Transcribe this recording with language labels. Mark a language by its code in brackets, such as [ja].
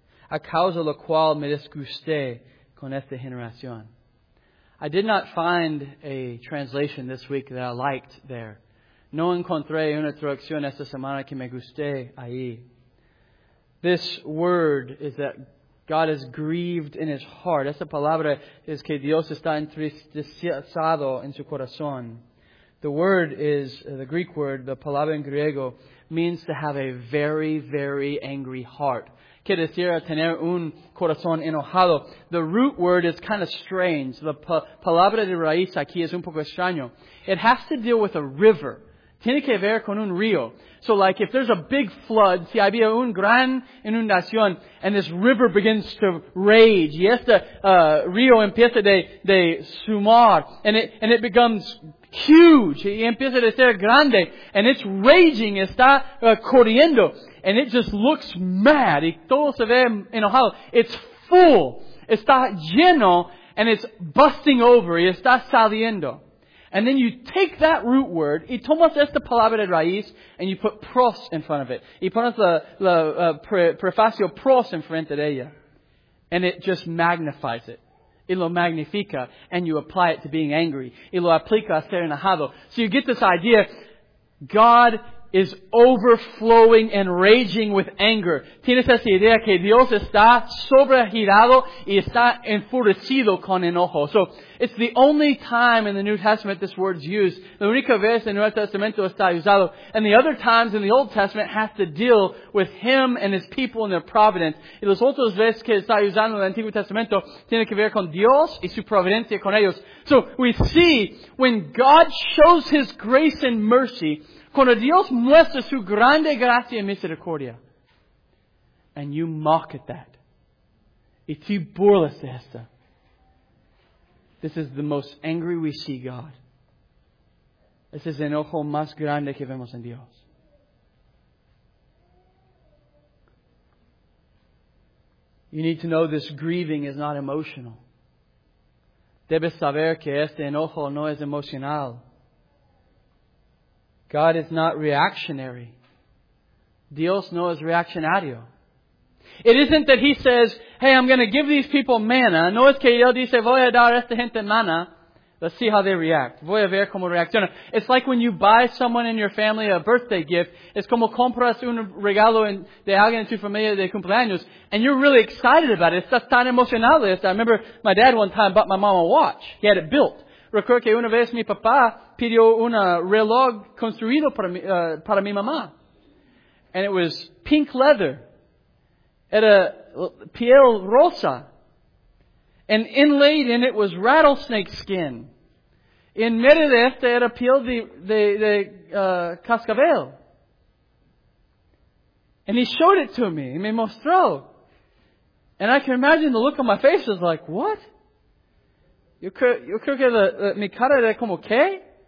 [es] A causa lo cual me disgusté con esta generación. [en] I did not find a translation this week that I liked there. [es] No encontré una traducción esta semana que me guste ahí. [en] This word is that God is grieved in His heart. [es] Esa palabra es que Dios está entristecido en su corazón. [en] The word is, the Greek word, the [es] palabra en griego, [en] means to have a very, very angry heart. [es] Quiere decir tener un corazón enojado. [en] The root word is kind of strange. [es] The palabra de raíz aquí es un poco extraño. [en] It has to deal with a river. [es] Tiene que ver con un río. [en] So like if there's a big flood, [es] si había un gran inundación, [en] and this river begins to rage, [es] y este río empieza de sumar, [en] and it becomes huge, [es] y empieza de ser grande, [en] and it's raging, [es] está corriendo, [en] and it just looks mad, [es] y todo se ve enojado. [en] It's full, [es] está lleno, [en] and it's busting over, [es] y está saliendo. [en] And then you take that root word, [es] y tomas esta palabra de raíz, [en] and you put pros in front of it. [es] Y pones prefacio pros en frente de ella. [en] And it just magnifies it. [es] Y lo magnifica, [en] and you apply it to being angry. [es] Y lo aplica a ser enojado. [en] So you get this idea, God is overflowing and raging with anger. [es] Tienes esa idea que Dios está sobregirado y está enfurecido con enojo. [en] So, it's the only time in the New Testament this word's used. [es] La única vez en el Nuevo Testamento está usado. [en] And the other times in the Old Testament has to deal with Him and His people and their providence. [es] Y las otras veces que está usando en el Antiguo Testamento tiene que ver con Dios y su providencia con ellos. [en] So, we see when God shows His grace and mercy, [es] cuando Dios muestra su grande gracia y misericordia, [en] and you mock at that, [es] y tú burlas de esta, [en] this is the most angry we see God. [es] Este es el enojo más grande que vemos en Dios. [en] You need to know this grieving is not emotional. [es] Debes saber que este enojo no es emocional. [en] God is not reactionary. [es] Dios no es reaccionario. [en] It isn't that He says, hey, I'm going to give these people manna. [es] No es que Él dice, voy a dar a esta gente manna. [en] Let's see how they react. [es] Voy a ver cómo reaccionan. [en] It's like when you buy someone in your family a birthday gift. [es] Es como compras un regalo de alguien en tu familia de cumpleaños. [en] And you're really excited about it. [es] Estás tan emocionado. [en] I remember my dad one time bought my mom a watch. He had it built. [es] Recuerdo que una vez mi papá pidió un reloj construido para mi mamá. [en] And it was pink leather. [es] Era piel rosa. [en] And inlaid in it was rattlesnake skin. [es] En medio de este era piel de cascabel. [en] And he showed it to me. [es] Me mostró. [en] And I can imagine the look on my face is like, what? [es] Yo creo que mi cara era como, ¿qué?